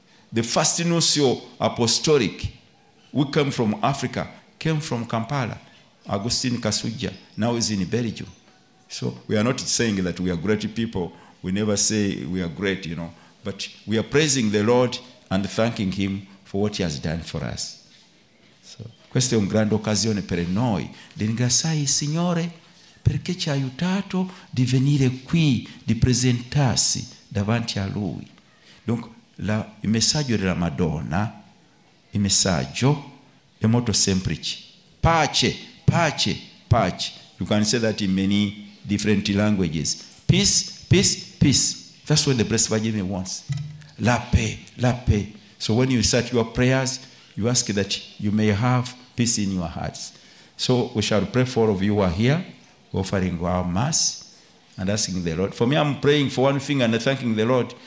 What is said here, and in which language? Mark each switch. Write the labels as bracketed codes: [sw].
[en] The first nuncio apostolic, who came from Africa, came from Kampala, Augustine Kasuja, now is in Belgium. So we are not saying that we are great people. We never say we are great, you know. But we are praising the Lord and thanking him for what he has done for us. [it] So questa è una grande occasione per noi di ringraziare il Signore perché ci ha aiutato di venire qui, di presentarsi davanti a lui. Dunque, il messaggio della Madonna, il messaggio è molto semplice. Pace, pace, pace. [en] You can say that in many different languages. Peace, peace, peace. That's what the Blessed Virgin Mary wants. [fr] La paix, la paix. [en] So when you start your prayers, you ask that you may have peace in your hearts. So we shall pray for all of you who are here, offering our mass and asking the Lord. For me, I'm praying for one thing and thanking the Lord.